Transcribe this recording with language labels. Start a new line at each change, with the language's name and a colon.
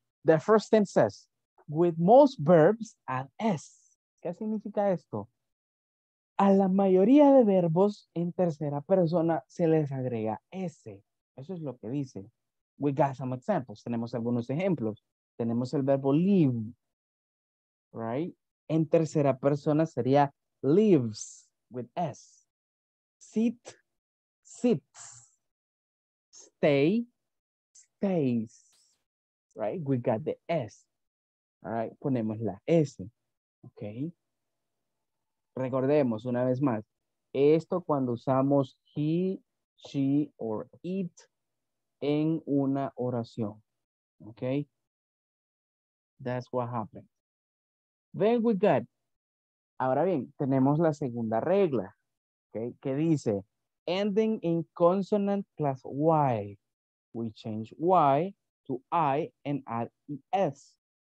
English: The first thing says, with most verbs, add S.
Spanish: ¿Qué significa esto? A la mayoría de verbos en tercera persona se les agrega S. Eso es lo que dice.
English: We got some examples.
Spanish: Tenemos algunos ejemplos. Tenemos el verbo live. Right? En tercera persona sería lives with S.
English: Sit, sits. Stay, stays. Right? We got the S. All right?
Spanish: Ponemos la S.
English: Okay?
Spanish: Recordemos una vez más. Esto cuando usamos he, she, or it en una oración. Okay?
English: That's what happened. Then we got.
Spanish: Ahora bien, tenemos la segunda regla, okay, que dice,
English: ending in consonant plus Y. We change Y to I and add ES.